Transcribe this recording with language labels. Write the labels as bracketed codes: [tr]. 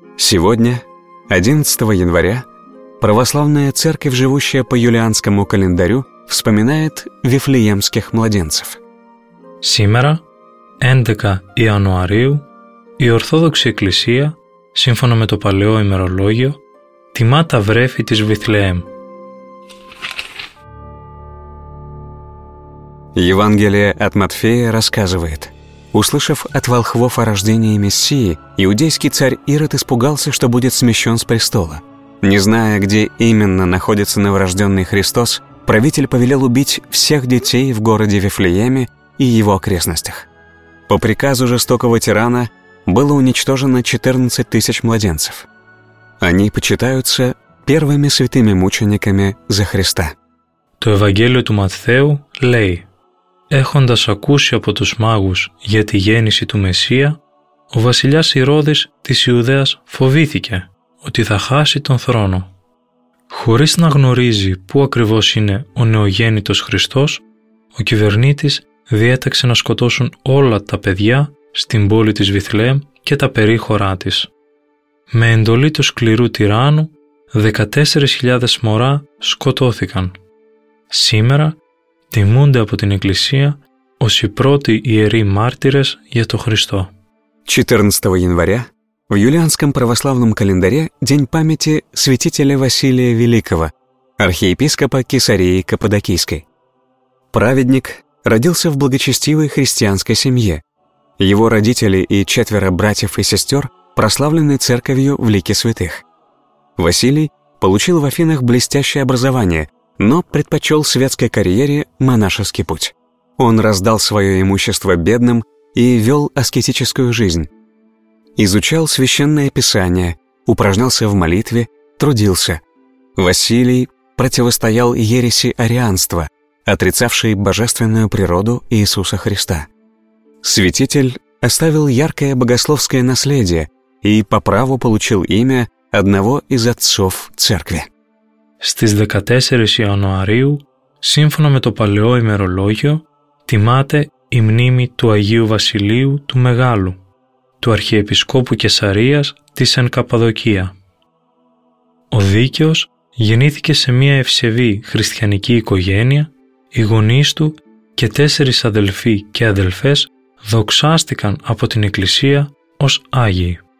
[ru] Сегодня, 11 января, православная церковь, живущая по юлианскому календарю, вспоминает вифлеемских младенцев. [el] Сегодня, 11 января, η Ορθόδοξη Εκκλησία, σύμφωνα με το παλαιό ημερολόγιο, τιμά τα βρέφη της Βηθλεέμ. [ru] Евангелие от Матфея рассказывает. Услышав от волхвов о рождении Мессии, иудейский царь Ирод испугался, что будет смещен с престола. Не зная, где именно находится новорожденный Христос, правитель повелел убить всех детей в городе Вифлееме и его окрестностях. По приказу жестокого тирана было уничтожено 14 тысяч младенцев. Они почитаются первыми святыми мучениками за Христа. [el] То Евангелие от Матфея лей. Έχοντας ακούσει από τους μάγους για τη γέννηση του Μεσσία, ο βασιλιάς Ηρώδης της Ιουδαίας φοβήθηκε ότι θα χάσει τον θρόνο. Χωρίς να γνωρίζει πού ακριβώς είναι ο νεογέννητος Χριστός, ο κυβερνήτης διέταξε να σκοτώσουν όλα τα παιδιά στην πόλη της Βηθλεέμ και τα περίχωρά της. Με εντολή του σκληρού τυράννου, 14.000 μωρά σκοτώθηκαν. Σήμερα, τιμούνται από την Εκκλησία ως οι πρώτοι ιεροί μάρτυρες για τον Χριστό. [ru] 14 января в юлианском православном календаре день памяти святителя Василия Великого, архиепископа Кесарии Каппадокийской. Праведник родился в благочестивой христианской семье. Его родители и четверо братьев и сестер прославлены церковью в лике святых. Василий получил в Афинах блестящее образование, но предпочел светской карьере монашеский путь. Он раздал свое имущество бедным и вел аскетическую жизнь. Изучал священное писание, упражнялся в молитве, трудился. Василий противостоял ереси арианства, отрицавшей божественную природу Иисуса Христа. Святитель оставил яркое богословское наследие и по праву получил имя одного из отцов церкви. [el] Στις 14 Ιανουαρίου, σύμφωνα με το παλαιό ημερολόγιο, τιμάται η μνήμη του Αγίου Βασιλείου του Μεγάλου, του Αρχιεπισκόπου Κεσαρίας της Εν Καπαδοκία. Ο Δίκαιος γεννήθηκε σε μια ευσεβή χριστιανική οικογένεια, οι γονείς του και 4 αδελφοί και αδελφές δοξάστηκαν από την Εκκλησία ως Άγιοι.